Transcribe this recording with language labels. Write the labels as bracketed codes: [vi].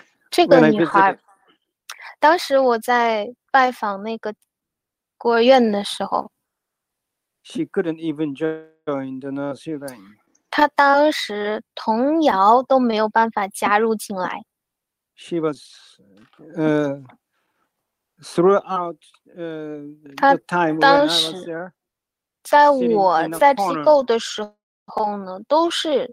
[zh] 这个女孩，当时我在拜访那个孤儿院的时候。 [en] She couldn't even join the nursery line. [zh] 她当时童谣都没有办法加入进来。 [en] She was, throughout, the time when I was there. [zh] 在我在机构的时候呢，都是。